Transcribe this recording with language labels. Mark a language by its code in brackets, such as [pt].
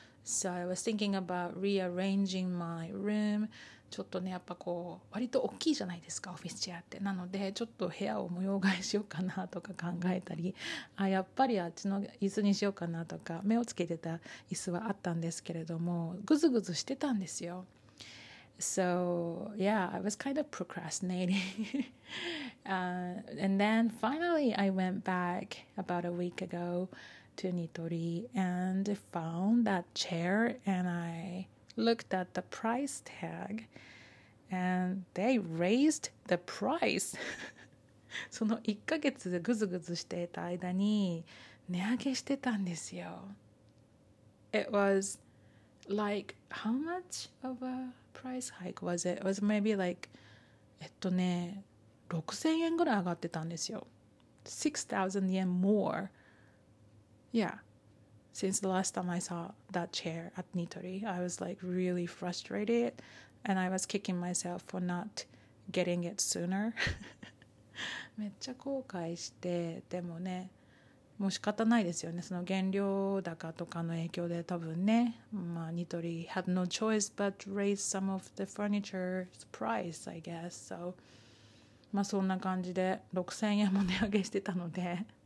[en] So I was thinking about rearranging my room. [ja] ちょっとね、やっぱこう、割と大きいじゃないですか、オフィスチェアって。なので、ちょっと部屋を模様替えしようかなとか考えたり、あ、やっぱりあっちの椅子にしようかなとか、目をつけてた椅子はあったんですけれども、ぐずぐずしてたんですよ。 [en] So, yeah, I was kind of procrastinating. and then finally I went back about a week ago to Nitori and found that chair and I looked at the price tag and they raised the price. [ja] その1ヶ月でグズグズしていた間に値上げしてたんですよ。 [en] It was Like, how much of a price hike was it? It was maybe like, [ja] 6,000 yen ぐらい上がってたんですよ。 [en] 6,000 yen more. Yeah. Since the last time I saw that chair at Nitori, I was like really frustrated and I was kicking myself for not getting it sooner. [ja] めっちゃ後悔して、でもね、もう仕方ないですよね。その原料高とかの影響で多分ね、まあ [en] ニトリ had no choice but raise some of the furniture's price, I guess. So, [ja] まあそんな感じで6000円も値上げしてたので、